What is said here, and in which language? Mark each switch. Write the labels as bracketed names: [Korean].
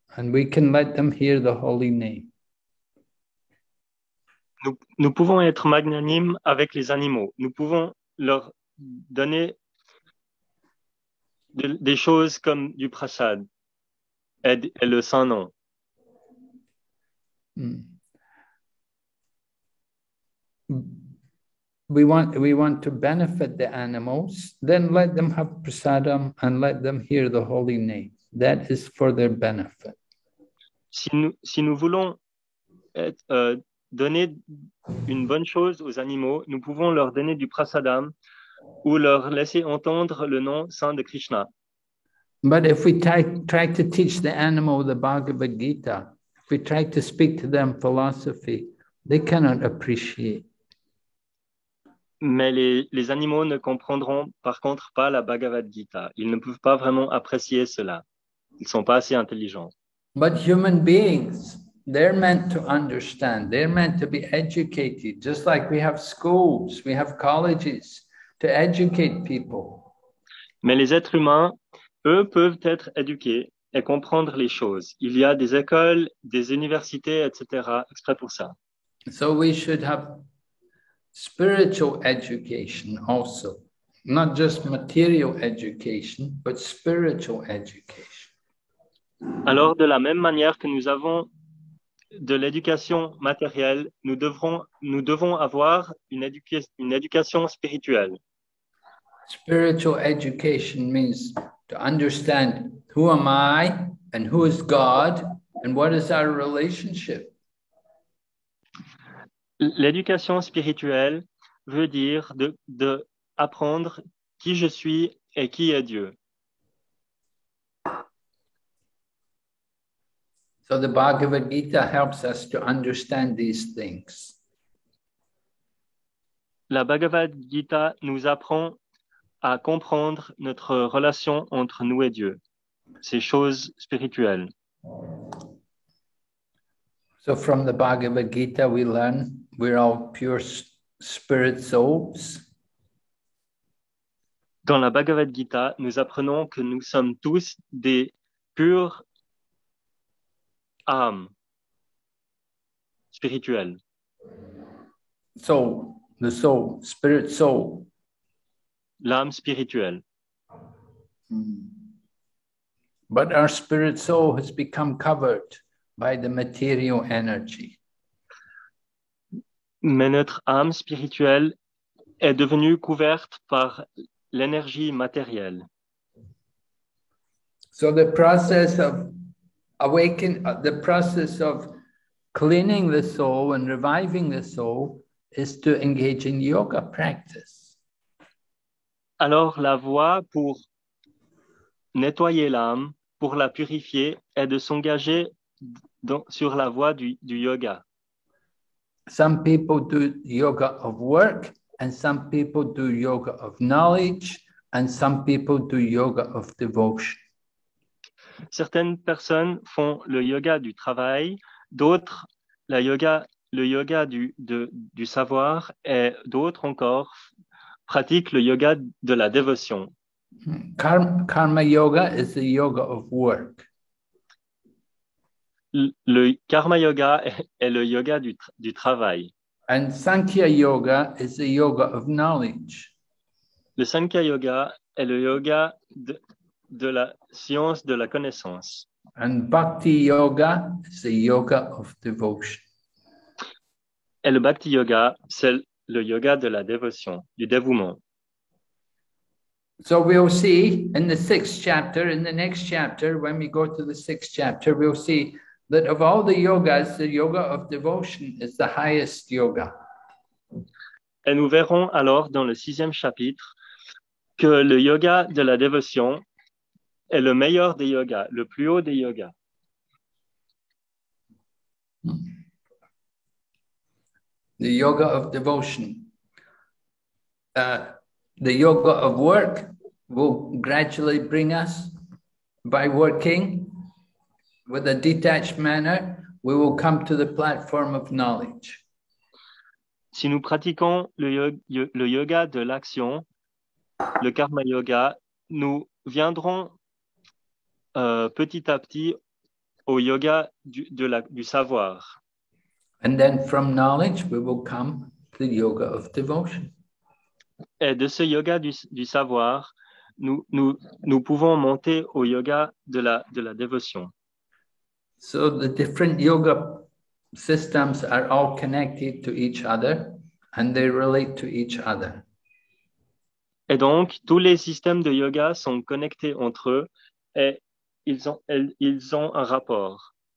[English] And we can let them hear the holy name. [French] Nous pouvons être magnanimes avec les animaux. Nous pouvons leur donner des choses comme du prasad et le saint nom. [English] We want to benefit the animals, then let them have prasadam and let them hear the holy name. That is for their benefit. [French] Si nous voulons donner une bonne chose aux animaux, nous pouvons leur donner du prasadam ou leur laisser entendre le nom saint de Krishna. [English] But if we try to teach the animal the Bhagavad Gita, if we try to speak to them philosophy, they cannot appreciate. [French] Mais les animaux ne comprendront par contre pas la Bhagavad Gita. Ils ne peuvent pas vraiment apprécier cela. Ils ne sont pas assez intelligents. [English] But human beings, they're meant to understand. They're meant to be educated, just like we have schools, we have colleges to educate people. [French] Mais les êtres humains, eux, peuvent être éduqués et comprendre les choses. Il y a des écoles, des universités, etc., exprès pour ça. [English] So we should have spiritual education also, not just material education, but spiritual education. [French] Alors, de la même manière que nous avons de l'éducation matérielle, nous devons avoir une éducation spirituelle. [English] Spiritual education means to understand who am I and who is God and what is our relationship. [French] L'éducation spirituelle veut dire de apprendre qui je suis et qui est Dieu. [English] So the Bhagavad Gita helps us to understand these things. [French] La Bhagavad Gita nous apprend à comprendre notre relation entre nous et Dieu, ces choses spirituelles. [English] So from the Bhagavad Gita we learn we're all pure spirit souls. [French] Dans la Bhagavad Gita, nous apprenons que nous sommes tous des purs âmes, spirituel. [English] Soul, the soul, spirit soul. [French] L'âme spirituelle. [English] But our spirit soul has become covered by the material energy. [French] Mais notre âme spirituelle est devenue couverte par l'énergie matérielle. [English] So the process of awakening, the process of cleaning the soul and reviving the soul is to engage in yoga practice. [French] Alors la voie pour nettoyer l'âme, pour la purifier, est de s'engager sur la voie du yoga. [English] Some people do yoga of work, and some people do yoga of knowledge, and some people do yoga of devotion. [French] Certaines personnes font le yoga du travail, d'autres le yoga du savoir, et d'autres encore pratiquent le yoga de la dévotion. [English] Karma yoga is the yoga of work. [French] Le karma yoga est le yoga du travail. [English] And Sankhya yoga is the yoga of knowledge. [French] Le Sankhya yoga est le yoga de la science de la connaissance. [English] And Bhakti yoga is the yoga of devotion. [French] Et le Bhakti yoga, c'est le yoga de la dévotion, du dévouement. [English] So we'll see in the sixth chapter, in the next chapter, when we go to the sixth chapter, we'll see that of all the yogas, the yoga of devotion is the highest yoga. [French] Et nous verrons alors dans le sixième chapitre que le yoga de la dévotion est le meilleur des yogas, le plus haut des yogas. [English] The yoga of devotion. The yoga of work will gradually bring us by working with a detached manner, we will come to the platform of knowledge. [French] Si nous pratiquons le yoga de l'action, le karma yoga, nous viendrons petit à petit au yoga du savoir. [English] And then from knowledge, we will come to the yoga of devotion. [French] Et de ce yoga du savoir, nous pouvons monter au yoga de la dévotion. [English] So the different yoga systems are all connected to each other and they relate to each other. [French] Et donc tous les systèmes de yoga sont connectés entre eux et ils ont un rapport.